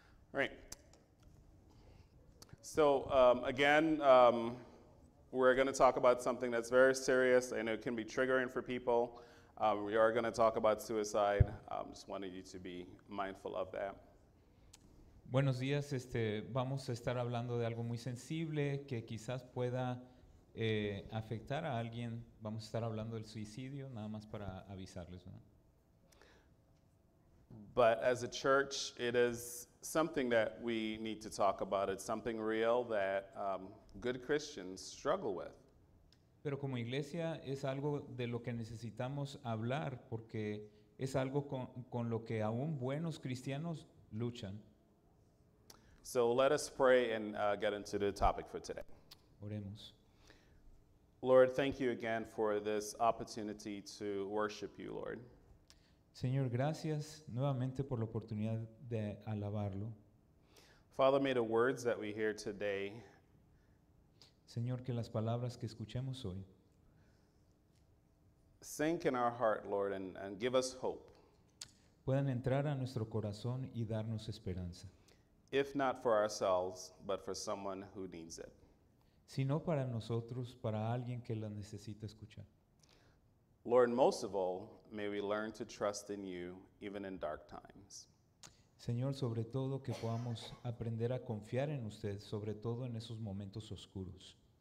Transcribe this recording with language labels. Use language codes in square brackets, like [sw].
[en] Right. So again, we're going to talk about something that's very serious. I know it can be triggering for people. We are going to talk about suicide. Just wanted you to be mindful of that. [es] Buenos días, vamos a estar hablando de algo muy sensible que quizás pueda afectar a alguien. Vamos a estar hablando del suicidio, nada más para avisarles, ¿no? [en] But as a church, it is something that we need to talk about. It's something real that good Christians struggle with. [es] Pero como iglesia es algo de lo que necesitamos hablar porque es algo con lo que aún buenos cristianos luchan. [en] So let us pray and get into the topic for today. [es] Oremos. [en] Lord, thank you again for this opportunity to worship you, Lord. [es] Señor, gracias nuevamente por la oportunidad de alabarlo. [en] Father, may the words that we hear today, [es] Señor, que las palabras que escuchemos hoy, [en] sink in our heart, Lord, and give us hope. [es] Puedan entrar a nuestro corazón y darnos esperanza. [en] If not for ourselves, but for someone who needs it. [es] Si no para nosotros, para alguien que la necesita escuchar. [en] Lord, most of all, may we learn to trust in you, even in dark times. [es] Señor, sobre todo que podamos aprender a confiar en usted, sobre todo en esos momentos oscuros.